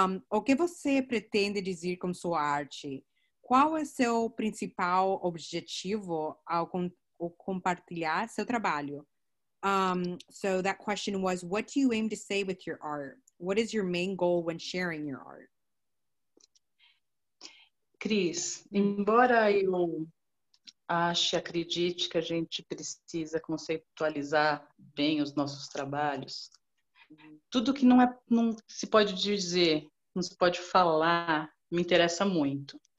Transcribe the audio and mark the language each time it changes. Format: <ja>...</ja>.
<pt>O que você pretende dizer com sua arte? Qual é seu principal objetivo ao compartilhar seu trabalho?</pt> <en>So that question was, what do you aim to say with your art? What is your main goal when sharing your art?</en> <pt>Cris, embora eu ache, acredite que a gente precisa conceitualizar bem os nossos trabalhos, tudo que não se pode dizer, não se pode falar, me interessa muito.</pt>